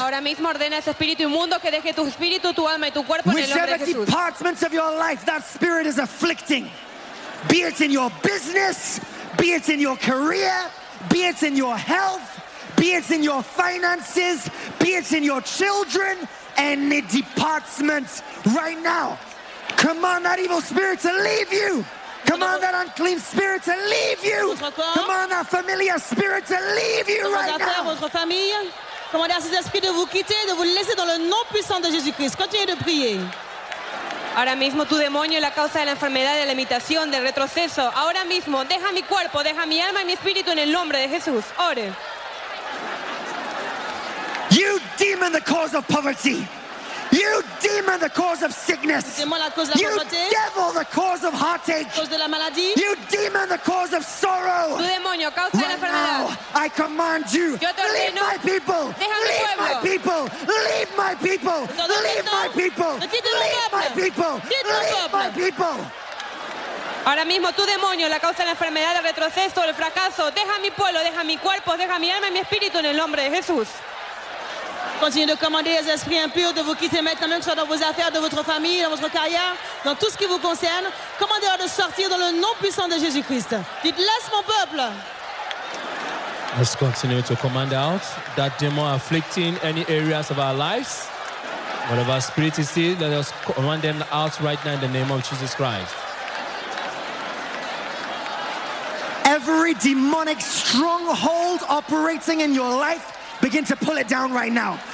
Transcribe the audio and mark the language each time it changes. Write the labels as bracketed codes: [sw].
[es] Ahora mismo ordena ese espíritu inmundo que deje tu espíritu, tu alma y tu cuerpo en el nombre de Jesús. [en] Whichever departments of your life that spirit is afflicting, be it in your business, be it in your career, be it in your health, be it in your finances, be it in your children, any departments right now. Command that evil spirit to leave you. Command that unclean spirit to leave you. Command that familiar spirit to leave you right now. [fr] Votre famille. Commandez à ces esprits de vous quitter, de vous laisser dans le nom puissant de Jésus-Christ. Continuez de prier. [es] Ahora mismo tu demonio es la causa de la enfermedad, de la limitación, del retroceso. Ahora mismo, deja mi cuerpo, deja mi alma y mi espíritu en el nombre de Jesús. Ore. [en] You demon, the cause of poverty. You demon, the cause of sickness. You devil, the cause of heartache. You demon, the cause of sorrow. Right now, I command you, leave my people. Leave my people. Leave my people. Leave my people. Leave my people. Leave my people. [es] Ahora mismo, tu demonio, la causa de la enfermedad, el retroceso, el fracaso, deja mi pueblo, deja mi cuerpo, deja mi alma y mi espíritu en el nombre de Jesús. [fr] Continuez de commander aux esprits impurs de vous quitter maintenant, même que ce soit dans vos affaires, de votre famille, dans votre carrière, dans tout ce qui vous concerne. Commandez-leur de sortir dans le nom puissant de Jésus-Christ. Dites, laisse mon peuple. [en] Let's continue to command out that demon afflicting any areas of our lives. Whatever spirit is still, let us command them out right now in the name of Jesus Christ. Every demonic stronghold operating in your life, begin to pull it down right now.